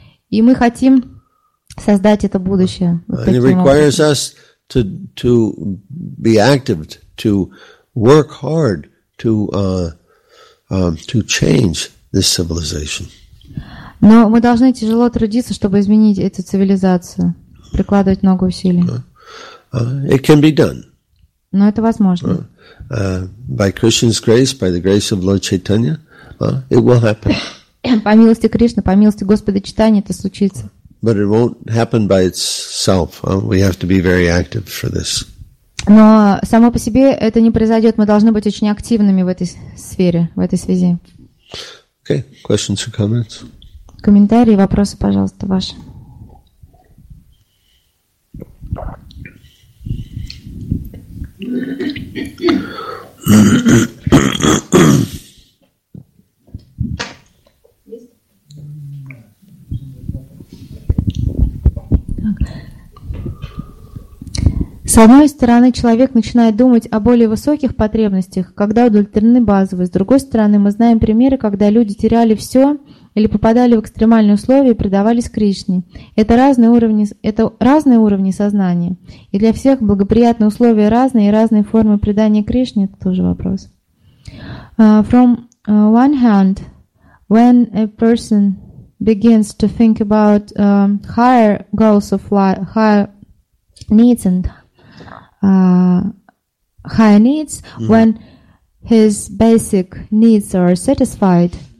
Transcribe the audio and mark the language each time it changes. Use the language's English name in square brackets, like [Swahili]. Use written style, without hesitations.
[Russian] И мы хотим создать это будущее. [English] And it requires us to be active, to work hard, to change this civilization. [Russian] Но мы должны тяжело трудиться, чтобы изменить эту цивилизацию, прикладывать много усилий. [English] It can be done. [Russian] Но это возможно. [English] By Krishna's grace, by the grace of Lord Chaitanya, it will happen. [Russian] По милости Кришны, по милости Господа Чайтаньи это случится. [English] But it won't happen by itself. We have to be very active for this. [Russian] Но само по себе это не произойдет. Мы должны быть очень активными в этой сфере, в этой связи. [English] Okay, questions or comments? [Russian] Комментарии, вопросы, пожалуйста, ваши. С одной стороны, человек начинает думать о более высоких потребностях, когда удовлетворены базовые. С другой стороны, мы знаем примеры, когда люди теряли все или попадали в экстремальные условия и предавались Кришне. Это разные уровни сознания. И для всех благоприятные условия разные, и разные формы предания Кришне. Это тоже вопрос. [English] From one hand, when a person begins to think about higher goals of life, higher needs and higher needs, when his basic needs are satisfied.